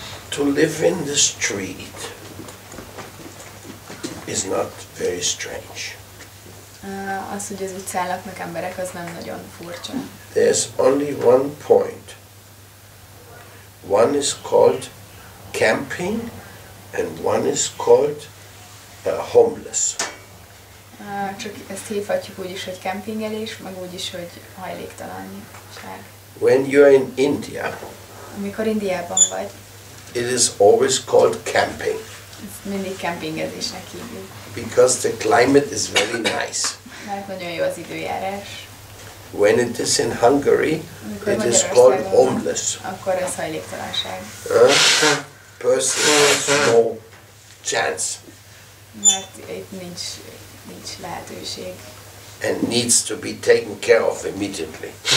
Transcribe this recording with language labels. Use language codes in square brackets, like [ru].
[en] To live in the street is not very strange. [hu] Az, hogy az utcán laknak emberek, az nem nagyon furcsa. [en] There's only one point. One is called camping, and one is called homeless. [hu] Csak ezt hívhatjuk úgy is, hogy campingelés, meg úgy is, hogy hajléktalanság. [en] When you're in India. [hu] Amikor Indiában vagy. [en] It is always called camping. It's [hu] mindig campingezésnek hívjuk. [en] Because the climate is very nice. [hu] Mert nagyon jó az időjárás. [en] When it is in Hungary, [hu] amikor [en] it is called homeless. [hu] Akkor ez hajléktalanság. [en] Personally, no chance. [hu] Mert itt nincs lehetőség. [en] And needs to be taken care of immediately.